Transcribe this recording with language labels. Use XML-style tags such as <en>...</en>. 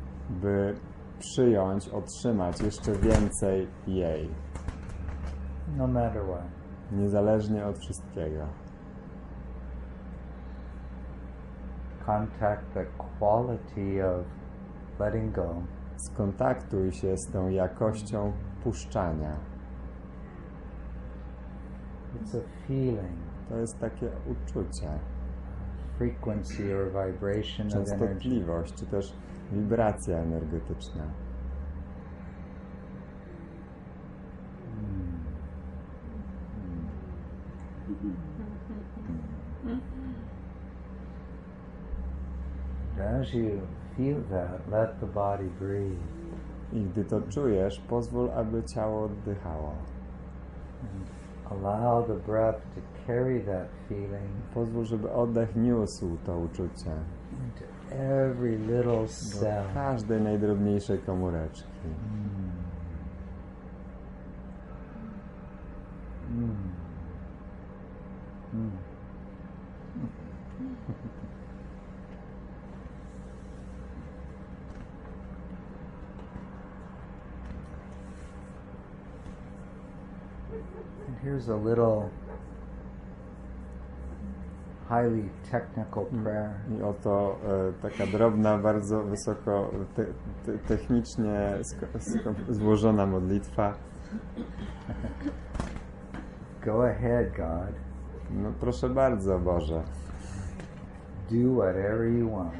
<pl>By przyjąć, otrzymać jeszcze więcej jej.</pl> <en>No matter what.</en> <pl>Niezależnie od wszystkiego.</pl> <en>Contact the quality of letting go.</en> <pl>Skontaktuj się z tą jakością puszczania.</pl> <en>It's a feeling.</en> <pl>To jest takie uczucie.</pl> <en>Frequency or vibration of energy.</en> <pl>Częstotliwość, czy też wibracja energetyczna.</pl> <en>As you feel that, let the body breathe.</en> <pl>I gdy to czujesz, pozwól, aby ciało oddychało.</pl> <en>Allow the breath to carry that feeling.</en> <pl>Pozwól, żeby oddech niósł to uczucie.</pl> <en>Into every little cell.</en> <pl>Do każdej najdrobniejszej komóreczki.</pl> <en>And here's a little highly technical prayer.</en> <pl>I oto taka drobna, bardzo wysoko technicznie złożona modlitwa.</pl> <en>Go ahead, God.</en> <pl>No proszę bardzo, Boże.</pl> <en>Do whatever you want.</en>